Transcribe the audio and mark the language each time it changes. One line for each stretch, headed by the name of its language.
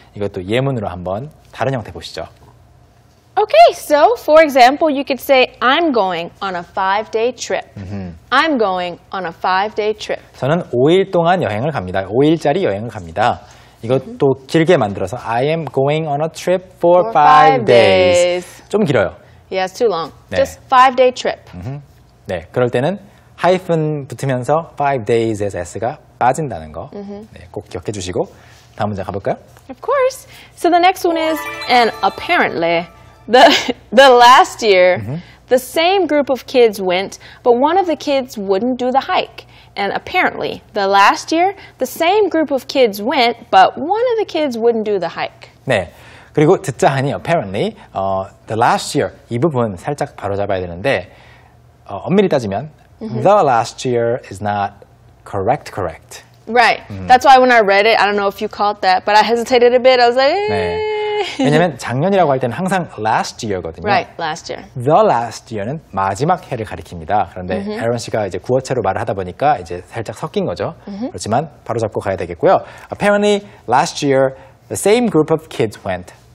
Korean: 이것도 예문으로 한번 다른 형태 보시죠.
English: Okay, so for example, you could say I'm going on a five-day trip. Mm-hmm. I'm going on a five-day trip.
Korean: 저는 5일 동안 여행을 갑니다. 5일짜리 여행을 갑니다. 이것도 mm-hmm. 길게 만들어서
English: I am going on a trip for five days.
Korean: 좀 길어요.
English: Yeah, it's too long. 네. Just five-day trip.
Korean: Mm-hmm. 네, 그럴 때는 hyphen 붙으면서
English: five days
Korean: 에서 S가 빠진다는 거 mm-hmm. 네, 꼭 기억해 주시고 다음 문장 가볼까요?
English: Of course. So the next one is, and apparently, the last year, mm-hmm. the same group of kids went, but one of the kids wouldn't do the hike. And apparently, the last year, the same group of kids went, but one of the kids wouldn't do the hike.
Korean: 네, 그리고 듣자 하니,
English: apparently, the last year,
Korean: 이 부분 살짝 바로잡아야 되는데, 엄밀히 따지면, mm-hmm.
English: the last year is not correct. Right. Mm-hmm. That's why when I read it, I don't know if you caught that, but I hesitated a bit. I was like,
Korean: 네. 왜냐면 작년이라고 할 때는 항상
English: last year
Korean: 거든요.
English: Right. Last year. The last year
Korean: 는 마지막 해를 가리킵니다. 그런데 mm-hmm. Aaron 씨가 이제 구어체로 말을 하다 보니까 이제 살짝 섞인 거죠.
English: Mm-hmm.
Korean: 그렇지만 바로 잡고 가야 되겠고요.
English: Apparently, last year, the same group of kids went.